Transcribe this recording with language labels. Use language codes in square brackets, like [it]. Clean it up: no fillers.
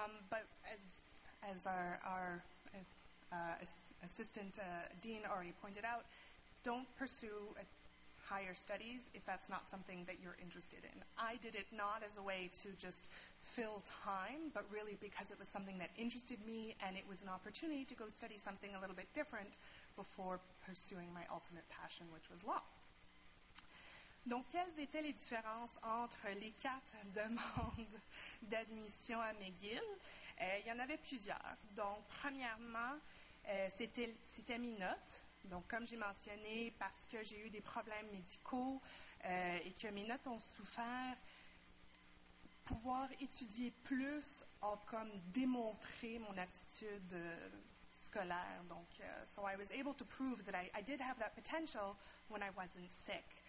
[en] But as assistant dean already pointed out, don't pursue higher studies if that's not something that you're interested in. I did it not as a way to just fill time, but really because it was something that interested me and it was an opportunity to go study something a little bit different before pursuing my ultimate passion, which was law. [fr] Donc, quelles étaient les différences entre les quatre demandes d'admission à McGill? Il y en avait plusieurs. Donc, premièrement, c'était mes notes. Donc, comme j'ai mentionné, parce que j'ai eu des problèmes médicaux et que mes notes ont souffert, pouvoir étudier plus a comme démontré mon attitude scolaire. [en] Donc, so I was able to prove that I did have that potential when I wasn't sick.